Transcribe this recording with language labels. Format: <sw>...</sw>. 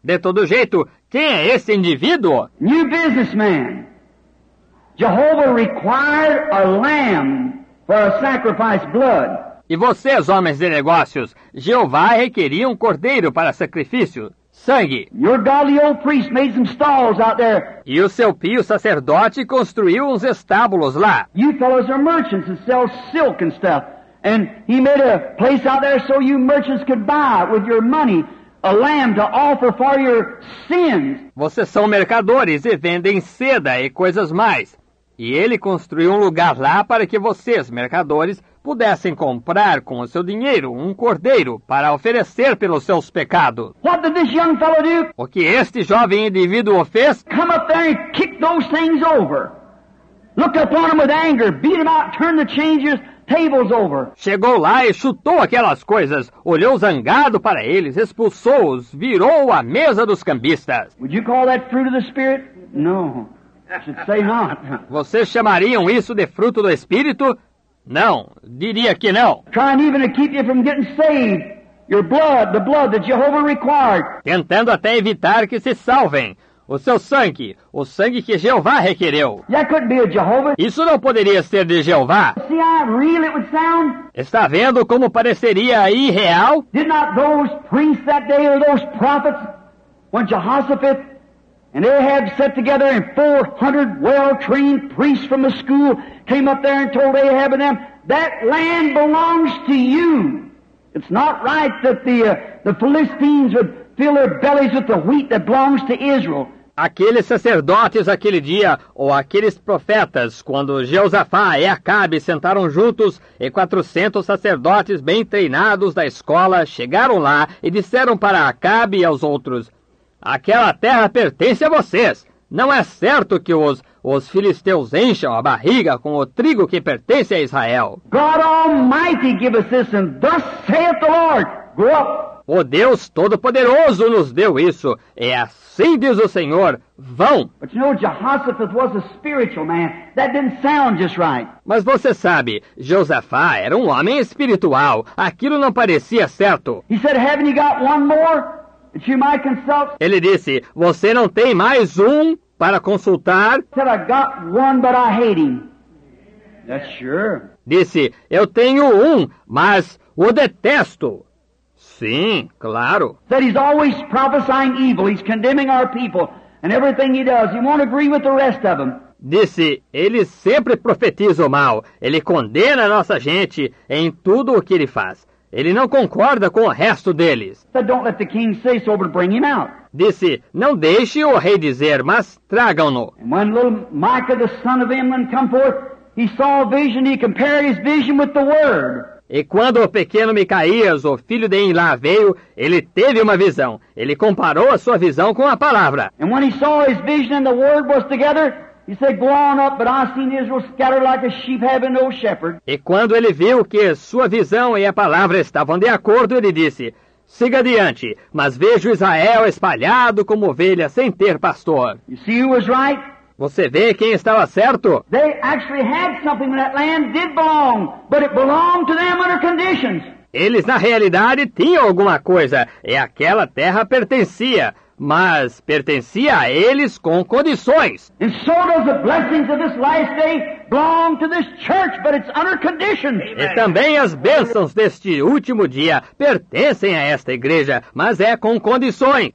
<pt>De todo jeito, quem é esse indivíduo?</pt> <en>New businessman. Jehovah required a lamb for a sacrifice blood.</en> <pt>E vocês, homens de negócios, Jeová requeria um cordeiro para sacrifício. Sangue.</pt> <en>Your godly old priest made some stalls out there.</en> <pt>E o seu pio sacerdote construiu uns estábulos lá.</pt> <en>You fellows are merchants and sell silk and stuff. And he made a place out there so you merchants could buy with your money a lamb to offer for your sins.</en> <pt>Vocês são mercadores e vendem seda e coisas mais. E ele construiu um lugar lá para que vocês, mercadores, pudessem comprar com o seu dinheiro um cordeiro para oferecer pelos seus pecados.</pt> <en>What did this young fellow do?</en> <pt>O que este jovem indivíduo fez?</pt> <en>Come up there and kick those things over. Look upon them with anger, beat them out, turn the changers, tables over.</en> <pt>Chegou lá e chutou aquelas coisas, olhou zangado para eles, expulsou-os, virou a mesa dos cambistas.</pt> <en>Would you call that fruit of the Spirit? No. Should say not.</en> <pt>Vocês chamariam isso de fruto do Espírito? Não, diria que não.</pt> <en>Trying even to keep you from getting saved. Your blood that Jehovah required.</en> <pt>Tentando até evitar que se salvem. O sangue que Jeová requereu.</pt> <en>That couldn't be a Jehovah.</en> <pt>Isso não poderia ser de Jeová.</pt> <en>See how real it would sound?</en> <pt>Está vendo como pareceria irreal?</pt> <en>Did not those priests that day or those prophets when Jehoshaphat and Ahab sat together and 400 well-trained priests from the school came up there and told Ahab and them, that land belongs to you. It's not right that the Philistines would fill their bellies with the wheat that belongs to Israel.</en> <pt>Aqueles sacerdotes aquele dia, ou aqueles profetas, quando Jeosafá e Acabe sentaram juntos, e 400 sacerdotes bem treinados da escola chegaram lá e disseram para Acabe e aos outros, aquela terra pertence a vocês. Não é certo que os filisteus encham a barriga com o trigo que pertence a Israel.</pt> <en>God Almighty give us this, and thus saith the Lord. Go up.</en> <pt>O Deus Todo-Poderoso nos deu isso. É assim diz o Senhor. Vão.</pt> <en>But you know, Jehoshaphat was a spiritual man. That didn't sound just right.</en> <pt>Mas você sabe, Josafá era um homem espiritual. Aquilo não parecia certo.</pt> <en>He said, haven't you got one more? You might consult.</en> <pt>Ele disse, você não tem mais um para consultar?</pt> <en>Said, I got one, but I hate him. That's sure.</en> <pt>Disse, eu tenho um, mas o detesto. Sim, claro.</pt> <en>That he's always prophesying evil. He's condemning our people and everything he does. He won't agree with the rest of them.</en> <pt>Disse, ele sempre profetiza o mal. Ele condena a nossa gente em tudo o que ele faz. Ele não concorda com o resto deles.</pt> <en>But don't let the king say so, but bring him out.</en> <pt>Disse, não deixe o rei dizer, mas tragam-no.</pt> <en>And when little Micah, the son of Imlan, come forth, he saw a vision, he compared his vision with the word.</en> <pt>E quando o pequeno Micaías, o filho de Imlá, veio, ele teve uma visão. Ele comparou a sua visão com a palavra.</pt> <en>And when he saw his vision and the word was together, he said, go on up, but I've seen Israel scattered like a sheep having no shepherd.</en> <pt>E quando ele viu que sua visão e a palavra estavam de acordo, ele disse, siga adiante, mas vejo Israel espalhado como ovelha sem ter pastor.</pt> <en>You see who was right?</en> <pt>Você vê quem estava certo?</pt> <en>They actually had something that land did belong, but it belonged to them under conditions.</en> <pt>Eles na realidade tinham alguma coisa, e aquela terra pertencia, mas pertencia a eles com condições.</pt> <en>And so does the blessings of this last day belong to this church, but it's under conditions.</en> <pt>E também as bênçãos deste último dia pertencem a esta igreja, mas é com condições.</pt>